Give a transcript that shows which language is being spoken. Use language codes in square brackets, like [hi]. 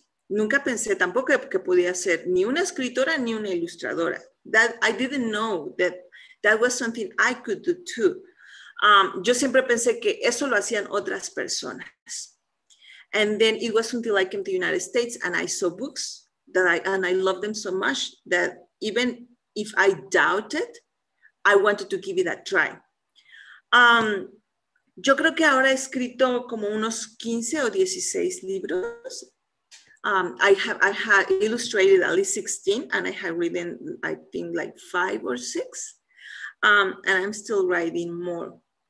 [es] Nunca pensé tampoco que podía ser ni una escritora ni una ilustradora. [en] That I didn't know that that was something I could do too. [es] Yo siempre pensé que eso lo hacían otras personas. [en] And then it wasn't until I came to the United States and I saw books that I loved them so much that even if I doubted, I wanted to give it a try. [es] Yo creo que ahora he escrito como unos 15 o 16 libros. [en] I have illustrated at least 16 and I have written, I think, like 5 or 6. And I'm still writing more.